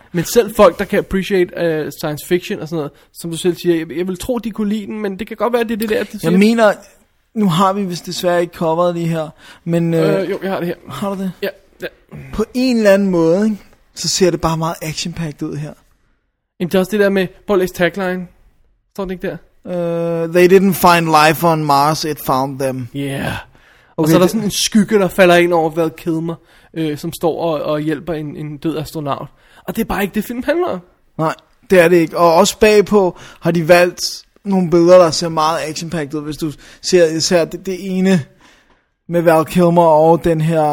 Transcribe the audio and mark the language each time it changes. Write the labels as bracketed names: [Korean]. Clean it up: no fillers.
[Danish] Men selv folk, der kan appreciate science fiction og sådan noget, som du selv siger, jeg vil tro, de kunne lide den, men det kan godt være, det er det der, det siger. Jeg mener... Nu har vi vist desværre ikke coveret lige her, men... Jo, jeg har det her. Har du det? Ja, ja. På en eller anden måde, ikke, så ser det bare meget action-packed ud her. Jamen, det er også det der med... Prøv at læse tagline. Står det ikke der? [English] They didn't find life on Mars, it found them. Yeah. [Danish] Okay, og så er der sådan en skygge, der falder ind over Val Kilmer, som står og hjælper en død astronaut. Og det er bare ikke det, film handler om. Nej, det er det ikke. Og også bagpå har de valgt... Nogle billeder, der ser meget action-packed ud, hvis du ser især det ene med Val Kilmer og den her...